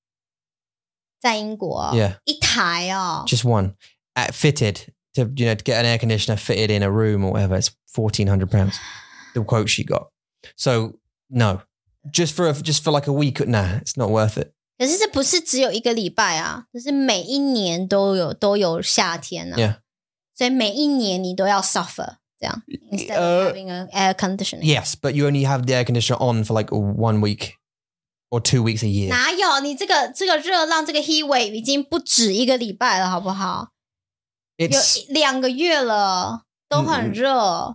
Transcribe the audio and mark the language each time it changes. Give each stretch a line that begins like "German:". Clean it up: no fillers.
Chinese: 冰棒熱死了，然后不能出门。嗯嗯嗯，对啊。我的姐姐告诉我，冷气是多少钱？是一千四吧，在英国。
English: Yeah，
Chinese: 一台哦。
English: Just one, fitted to, you know, to get an air conditioner fitted in a room or whatever. It's £1,400. The quote she got. So no, just for like a week. Nah, it's not worth it.
Chinese: 可是这不是只有一个礼拜啊，这是每一年都有夏天啊。
English: Yeah.
Chinese: 所以每一年你都要 suffer 这样
English: instead of having an air conditioner. Yes, but you only have the air conditioner on for like 1 week or 2 weeks a year.
Chinese: 哪有你这个热浪这个
English: heat wave
Chinese: 已经不止一个礼拜了，好不好？
English: It's
Chinese: 有两个月了，都很热。